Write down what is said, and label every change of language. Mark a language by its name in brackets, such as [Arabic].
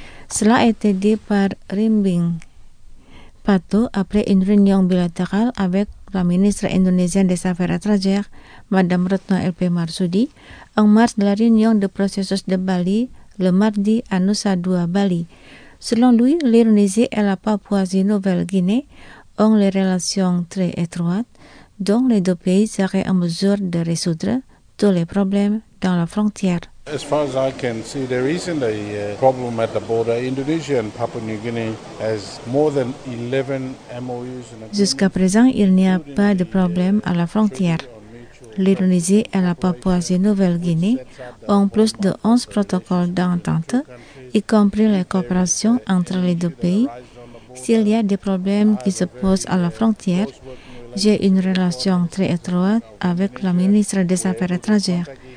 [French] Cela a été dit par Rimbing Pato après une réunion bilatérale avec la ministre indonésienne des Affaires étrangères, Madame Retno LP Marsudi, en marge de la réunion de processus de Bali le mardi à Nusa Dua, Bali. Selon lui, l'Indonésie et la Papouasie-Nouvelle-Guinée ont les relations très étroites, dont les deux pays seraient en mesure de résoudre tous les problèmes dans la frontière. [English] As far as I can see, there isn't a problem at the border. Indonesia and Papua New Guinea has more than 11 MOUs. [French] Jusqu'à présent, il n'y a pas de problème à la frontière. L'Indonésie et la Papouasie-Nouvelle-Guinée ont plus de 11 protocoles d'entente, y compris la coopération entre les deux pays. S'il y a des problèmes qui se posent à la frontière, j'ai une relation très étroite avec la ministre des Affaires étrangères.